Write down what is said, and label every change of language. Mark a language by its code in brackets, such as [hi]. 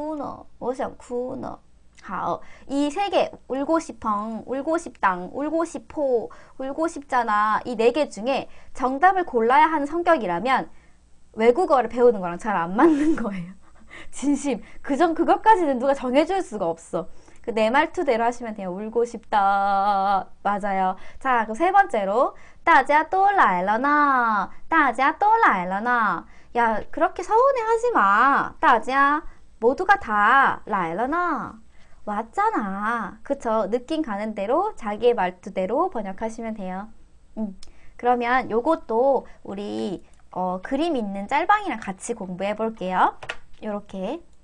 [zh] 我想哭呢.我想哭呢.好. [ko] 이세 개. 울고 싶어. 울고 싶당. 울고 싶어. 울고 싶잖아. 이네개 중에 정답을 골라야 하는 성격이라면 외국어를 배우는 거랑 잘안 맞는 거예요. 진심. 그것까지는 누가 정해줄 수가 없어. 그내 말투대로 하시면 돼요. 울고 싶다. 맞아요. 자, 그세 번째로. [zh] 大家都来了呢.大家都来了呢. [ko] 야, 그렇게 서운해 하지 마. 大家, 모두가 다, [zh] 来了呢. [ko] 왔잖아. 그쵸. 느낌 가는 대로, 자기의 말투대로 번역하시면 돼요. 그러면 요것도 우리, 그림 있는 짤방이랑 같이 공부해 볼게요. 요렇게.